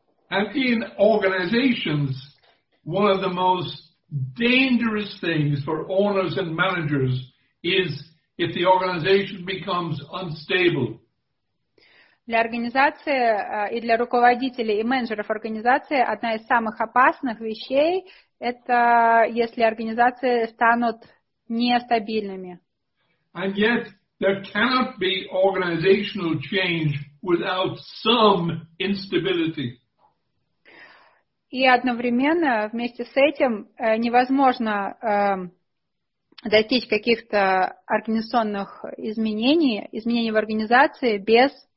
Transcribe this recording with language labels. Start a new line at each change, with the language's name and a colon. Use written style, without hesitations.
English: And in organizations, one of the most dangerous things for owners and managers is if the organization becomes unstable.
Russian: Для организации и для руководителей и менеджеров организации одна из самых опасных вещей – это если организации станут нестабильными.
English: And yet, there cannot be organizational change without some instability.
Russian: И одновременно вместе с этим невозможно достичь каких-то организационных изменений в организации без